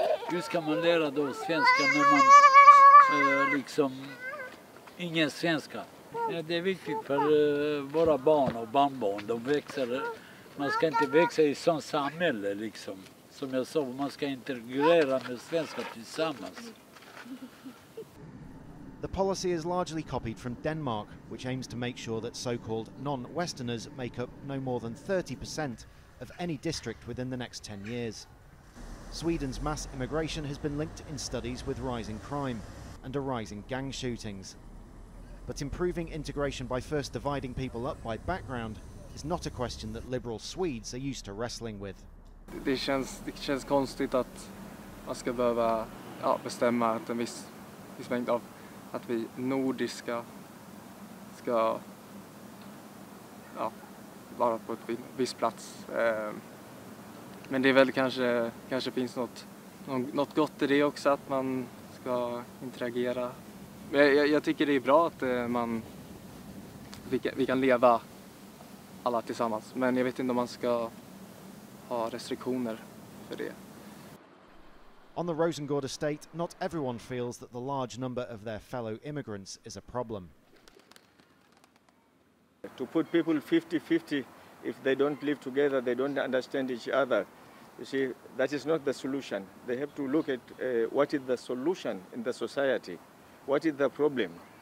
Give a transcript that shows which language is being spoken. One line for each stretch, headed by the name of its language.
Swedish: Hur ska man lära då svenska när man liksom ingen svenska? Ja, det är viktigt för våra barn och barnbarn. De växer. Man ska inte växa I sån samhälle liksom. Som jag sa, man ska integrera med svenska tillsammans.
English: The policy is largely copied from Denmark, which aims to make sure that so-called non-Westerners make up no more than 30% of any district within the next 10 years. Sweden's mass immigration has been linked in studies with rising crime and a rise in gang shootings. But improving integration by first dividing people up by background is not a question that liberal Swedes are used to wrestling with.
Swedish: Det känns konstigt att man ska behöva bestämma att en viss mängd av att vi nordiska ska vara på ett visst plats. Men det är väl kanske finns något gott I det också att man ska interagera. Jag tycker det är bra att vi kan leva alla tillsammans, men jag vet inte om man ska ha restriktioner för det.
English: On the Rosengård estate, not everyone feels that the large number of their fellow immigrants is a problem. To put people 50-50, if they don't live together, they don't understand each other. You see, that is not the solution. They have to look at what is the solution in the society. What is the problem?